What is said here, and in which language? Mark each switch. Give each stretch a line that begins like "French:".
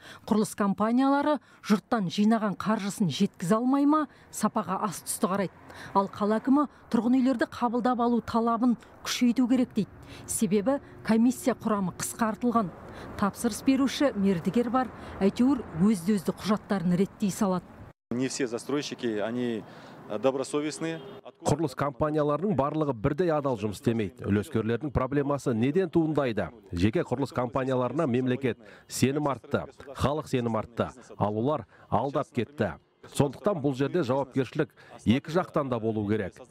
Kazakh: Құрылыс компаниялары жұрттан жинаған қаржысын жеткізе алмай ма, сапаға аз түсті қарайды. Ал қала әкімі тұрғын үйлерді қабылдап алу талабын күшейту керек дейді. Себебі комиссия құрамы қысқартылған. Тапсырыс беруші мердігер бар, әйтеуір өзді-өзді құжаттарын реттей салады.
Russian: Не все застройщики, они добросовестные.
Kazakh: Құрылыс компанияларының барлығы бірдей адал жұмыс істемейді. Үлескерлердің проблемасы неден туындайды? Жеке құрылыс компанияларына мемлекет сенім артты, халық сенім артты, ал олар алдап кетті. Сондықтан бұл жерде жауапкершілік екі жақтан да болу керек.